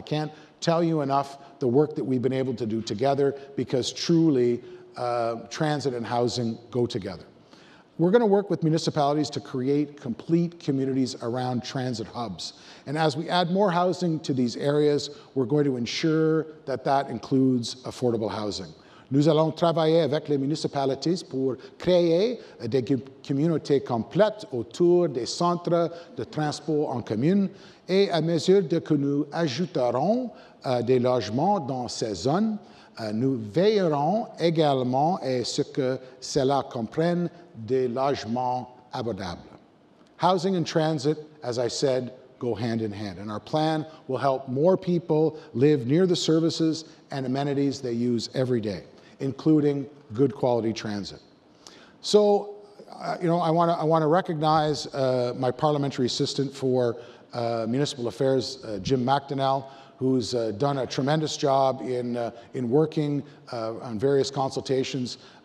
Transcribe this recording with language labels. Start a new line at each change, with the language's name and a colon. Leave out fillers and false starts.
English: I can't tell you enough the work that we've been able to do together, because truly, transit and housing go together. We're going to work with municipalities to create complete communities around transit hubs. And as we add more housing to these areas, we're going to ensure that that includes affordable housing.
French: Nous allons travailler avec les municipalités pour créer des communautés complètes autour des centres de transport en commun. Et à mesure que nous ajouterons des logements dans ces zones, nous veillerons également à ce que cela comprenne des logements abordables.
English: Housing and transit, as I said, go hand in hand. And our plan will help more people live near the services and amenities they use every day, including good quality transit. So, I want to recognize my parliamentary assistant for municipal affairs, Jim McDonnell, who's done a tremendous job in working on various consultations.